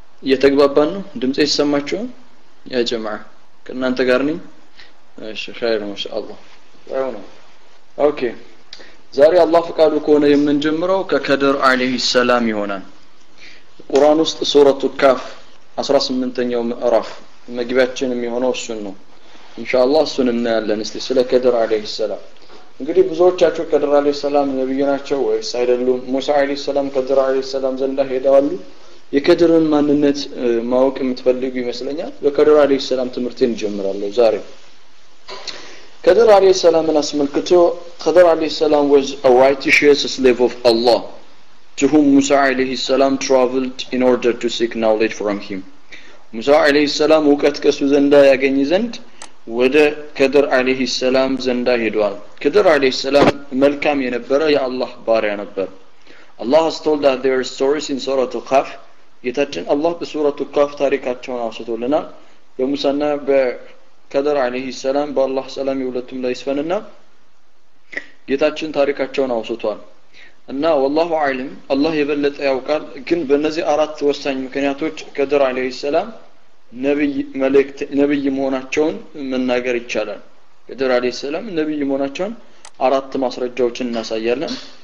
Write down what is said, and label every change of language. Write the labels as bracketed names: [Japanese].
[Amharic] የተግባባን ነው። ድምጽ እየሰማችሁ ያ ጀማዓ ከእናንተ ጋር ነኝ። እሺ خير ما شاء الله አይሆንም። ኦኬ ዛሬ አላህ ፈቃዱ ከሆነ የምንጀምረው ከከድር አለይሂ ሰላም ይሆናል። ቁርአን ውስጥ ሱረቱ ካፍ 18ኛው ምዕራፍ መግቢያችን የሚሆነው እሱን ነው ኢንሻአላህ። እሱን እናያለን። እስቲ ስለ ከድር አለይሂ ሰላም እንግዲህ ብዙዎቻችሁ ከድር አለይሂ ሰላም ነብይ ናቸው ወይስ አይደሉም? ሙሳ አለይሂ ሰላም ከድር አለይሂ ሰላም ዘንዳ ሄደዋል? የከድርን ማንነት ማወቅ የምትፈልጉ ይመስለኛል። በከድር አለይሂ ሰላም [English] ትምህርቴን ጀምራለሁ ዛሬ። ከድር አለይሂ ሰላም እናስመልክቶ ከድር አለይሂ ሰላም was a righteous slave of Allah to whom Musa alayhi salam traveled in order to seek knowledge from him. [Amharic] ሙሳ አለይሂ ሰላም ወቀት ከሱ ዘንዳ ያገኝ ዘንድ ወደ ከድር አለይሂ ሰላም ዘንዳ ሄዷል። ከድር አለይሂ ሰላም መልካም የነበረ የአላህ ባሪያ ነበር። [English] Allah has told that there are stories in Surah Al-Kahf. [Amharic] የታችን አላህ በሱራ አል-ካፍ ታሪካቸውን አውስቶልናል። በሙሳና በከድር አለይሂ ሰላም በአላህ ሰላም ይውለቱም ላይ ስፈንና የታችን ታሪካቸውን አውስቷል። እና ወላሁ አለም አላህ የበለጠ ያውቃል። ግን በእነዚህ አራት ወሳኝ ምክንያቶች ከድር አለይሂ ሰላም ነብይ መልእክት ነብይ መሆናቸውን መናገር ይቻላል። ከድር አለይሂ ሰላም ነብይ መሆናቸውን አራት ማስረጃዎችን እናሳያለን።